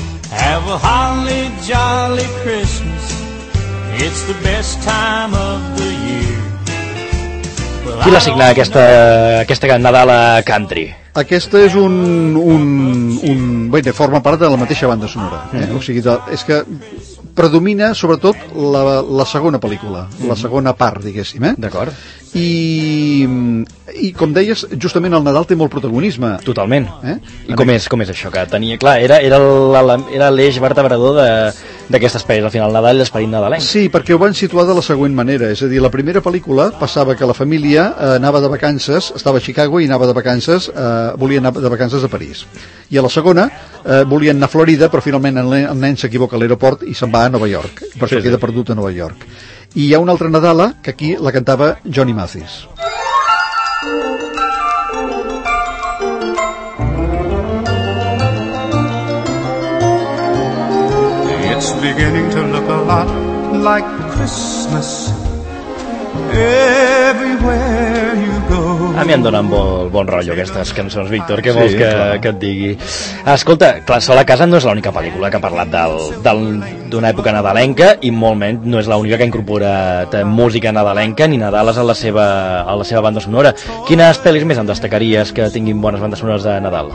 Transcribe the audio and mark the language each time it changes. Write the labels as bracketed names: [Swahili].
[English] Have a holly jolly Christmas, it's the best time of the year. [Catalan] Qui l'ha signat aquesta Nadal a country? Aquesta és un bé, forma part de la mateixa banda sonora, mm-hmm, o sigui, és que predomina sobretot la segona pel·lícula, mm-hmm, la segona part, diguéssim, D'acord. I com deies, justament el Nadal té molt protagonisme. Totalment. I com és això? Que tenia, clar, era l'eix vertebrador d'aquest espai, al final Nadal i l'esperit nadalenc. Sí, perquè ho van situar de la següent manera. És a dir, la primera pel·lícula passava que la família anava de vacances, estava a Chicago i anava de vacances, volia anar de vacances a París. I a la segona volien anar a Florida, però finalment el nen s'equivoca a l'aeroport i se'n va a Nova York. Per això queda perdut a Nova York. I hi ha una altra Nadala que aquí la cantava Johnny Mathis. [English] It's beginning to look a lot like Christmas everywhere you go. [Catalan] A mi em donen molt bon rotllo aquestes cançons, Víctor, què vols que et digui? Escolta, clar, Sol a casa no és l'única pel·lícula que ha parlat d'una època nadalenca, i molt menys no és l'única que ha incorporat música nadalenca ni Nadales a la seva banda sonora. Quines pel·lis més en destacaries que tinguin bones bandes sonores de Nadal?